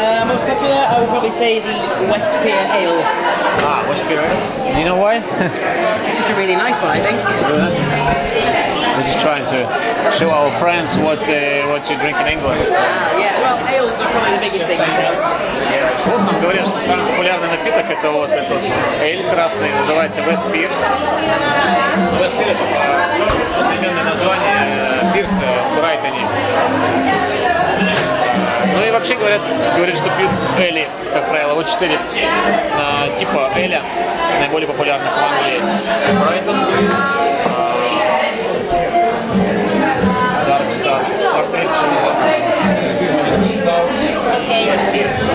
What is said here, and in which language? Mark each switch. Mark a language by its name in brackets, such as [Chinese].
[English] Most popular, I would probably say the West Pier Ale. Ah, West Pier Ale. Do you know why? It's just a really nice one, I think. We're just trying to show our friends what you drink in England. Ales are probably the biggest thing. [Russian] Вот нам говорят, что самый популярный напиток – это вот этот эль красный, называется West Pier. West Pier – это современное название пирса в Брайтоне. Ну и вообще говорят, что пьют эли, как правило, вот 4 типа эля, наиболее популярных в Англии. Брайтон, Dark Star, Partridge, West Pier.